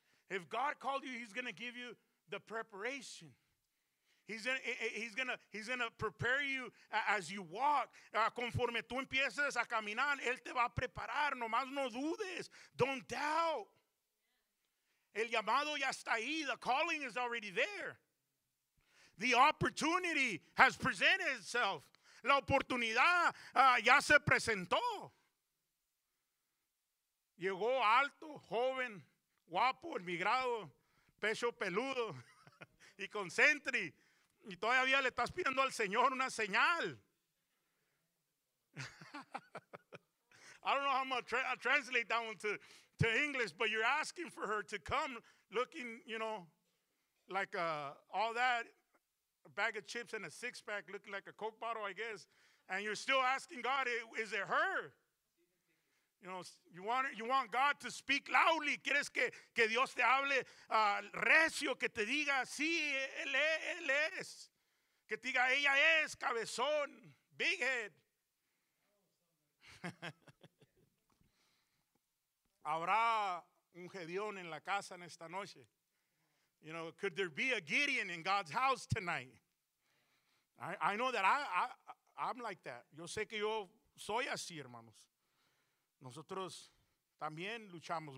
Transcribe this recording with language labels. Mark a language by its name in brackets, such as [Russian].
[English] If God called you, He's going to give you the preparation. He's going to prepare you as you walk. [Spanish] Conforme tú empieces a caminar, Él te va a preparar. Nomás no dudes. [English] Don't doubt. [Spanish] El llamado ya está ahí. [English] The calling is already there. The opportunity has presented itself. [Spanish] La oportunidad ya se presentó. Llegó alto, joven, guapo, emigrado, pecho peludo y con sentry. Y todavía le estás pidiendo al Señor una señal. [English] I don't know how I'm going to translate that one to English, but you're asking for her to come looking, you know, like all that. A bag of chips and a six pack looking like a Coke bottle, I guess. And you're still asking God, is it her? You know, you want God to speak loudly. [Spanish] ¿Quieres que Dios te hable recio, que te diga, sí, él es? Que te diga, ella es, cabezón, [English] big head. [Spanish] ¿Habrá un Gedeón en la casa en esta noche? [English] You know, could there be a Gideon in God's house tonight? I know that I'm like that. [Spanish] Yo sé que yo soy así, hermanos. Nosotros también luchamos.